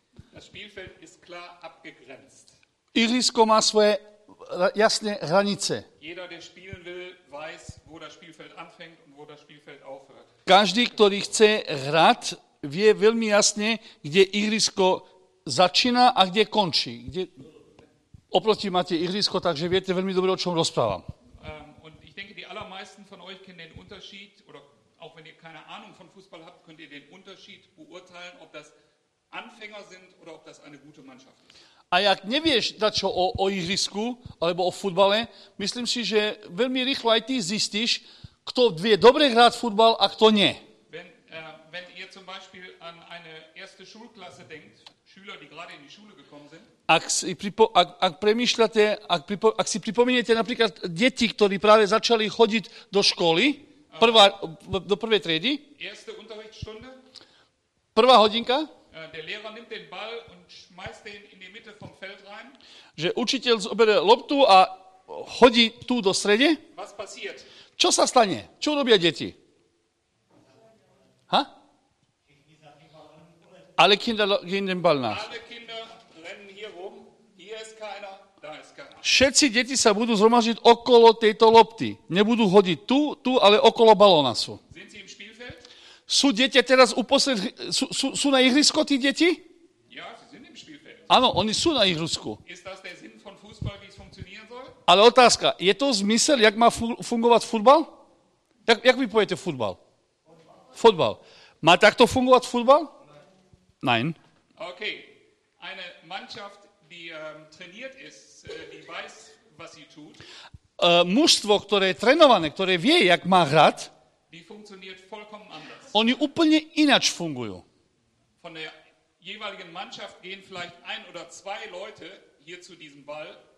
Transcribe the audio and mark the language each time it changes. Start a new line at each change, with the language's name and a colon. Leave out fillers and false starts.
German: Das Spielfeld ist klar abgegrenzt.
Slovak: Ihrisko má svoje jasné hranice.
German: Jeder, der spielen will, weiß, wo das Spielfeld anfängt und wo das Spielfeld aufhört.
Slovak: Každý, ktorý chce hrať, vie veľmi jasne, kde ihrisko začína a kde končí. Kde... Oproti máte ihrisko, takže viete veľmi dobre, o čom rozprávam.
German: Und ich denke, die allermeisten von euch kennen den Unterschied, oder auch wenn ihr keine Ahnung von Fußball habt, könnt ihr den Unterschied beurteilen, ob das Anfänger sind oder ob das eine gute Mannschaft ist.
Slovak: A jak nevieš dačo o ihrisku alebo o futbale, myslím si, že veľmi rýchlo aj ty zistíš, kto vie dobre hrať futbal a kto nie.
German: Wenn ihr zum Beispiel an eine erste Schulklasse denkt, Schüler, die gerade in die Schule gekommen sind.
Slovak: Ak si pripomeniete napríklad deti, ktorí práve začali chodiť do školy, prvá, do prvej triedy.
German: Erste Unterrichtsstunde.
Slovak: Prvá hodinka.
German: Der Lehrer nimmt den Ball und schmeißt den in die Mitte vom Feld rein.
Slovak: Že učiteľ zoberie loptu a hodí tú do strede.
German: Was passiert?
Slovak: Čo sa stane? Čo robia deti? Ha?
German: Alle Kinder gehen den Ball nach. Alle Kinder rennen hier rum. Hier ist keiner, da ist keiner.
Slovak: Všetci deti sa budú zhromažiť okolo tejto lopty. Nebudú hodiť tu, ale okolo balóna sú.
German: Sind sie im Spielfeld?
Slovak: Sú deti teraz uposled, sú na ihrisku tí deti?
German: Ja, sie sind im Spielfeld.
Slovak: Áno, oni sú na ihrisku.
German: Ist das der Sinn von Fußball, wie es funktionieren soll?
Slovak: Ale otázka, je to zmysel, jak má fungovať futbal? Jak vy poviete futbal? Futbal. Má takto fungovať futbal?
German: Nein.
English: Okay.
German: Eine Mannschaft, die trainiert ist, die weiß, was sie tut.
Slovak: Mužstvo, ktoré je trénované, ktoré vie, jak má hrať,
German: die funktioniert vollkommen anders.
Slovak: Oni úplne ináč fungujú.
German: Von der jeweiligen Mannschaft gehen vielleicht ein oder zwei Leute hier zu diesem Ball.